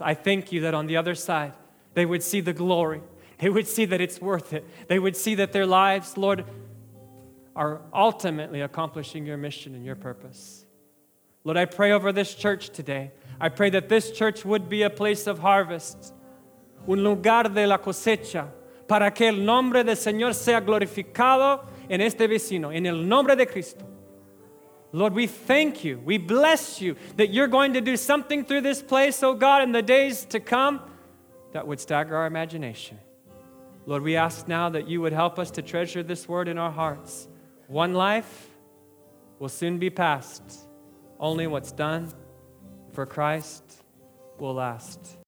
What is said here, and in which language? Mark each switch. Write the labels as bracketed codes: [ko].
[en] I thank you that on the other side, they would see the glory. They would see that it's worth it. They would see that their lives, Lord, are ultimately accomplishing your mission and your purpose. Lord, I pray over this church today. I pray that this church would be a place of harvest. [es] Un lugar de la cosecha. Para que el nombre del Señor sea glorificado en este vecino, en el nombre de Cristo. [en] Lord, we thank you, we bless you, that you're going to do something through this place, oh God, in the days to come, that would stagger our imagination. Lord, we ask now that you would help us to treasure this word in our hearts. One life will soon be passed. Only what's done for Christ will last forever.